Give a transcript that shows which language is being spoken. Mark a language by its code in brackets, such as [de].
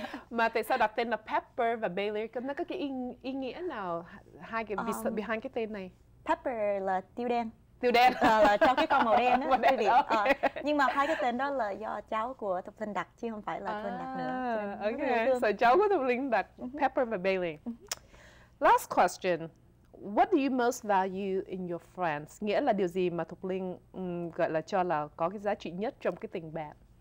[vi] Mà tại sao đặt tên là Pepper và Bailey? Nó có cái ý nghĩa nào hai cái behind cái tên này? Pepper là tiêu đen. Tiêu đen? Là cho cái con màu đen đó, quý vị. Okay. Nhưng mà hai cái tên đó là do cháu của Thục Linh đặt, chứ không phải là Thục Linh đặt nữa. Ok, so cháu của Thục Linh đặt Pepper và Bailey. [en] Last question. What do you most value in your friends? [vi] Nghĩa là điều gì mà Thục Linh gọi là cho là có cái giá trị nhất trong cái tình bạn?